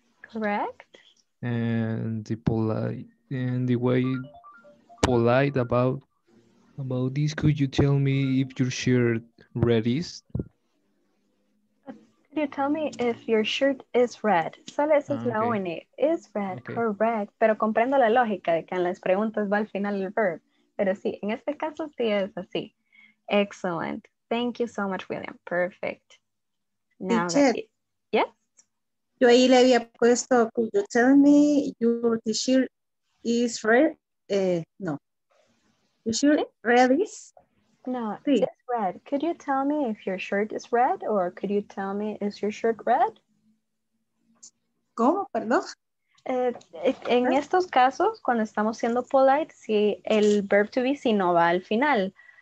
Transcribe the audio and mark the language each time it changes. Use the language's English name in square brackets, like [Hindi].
[English] Correct. And the polite and the way polite about this, could you tell me if your shirt red is? Could you tell me if your shirt is red? [Spanish] Solo eso es la única. [English] Is red, okay. Correct. [Spanish] Pero comprendo la lógica de que en las preguntas va al final el verb. Pero sí, en este caso sí es así. [English] Excellent. Thank you so much, William. Perfect. Now, yes? [Spanish] Yo ahí le había puesto, [English] could you tell me your t-shirt is red? No. Your shirt red is? No, it's red. Could you tell me if your shirt is red? Or could you tell me, is your shirt red? [Spanish] ¿Cómo? Perdón. En estos casos, cuando estamos siendo polite, si el verb to be, si no va al final.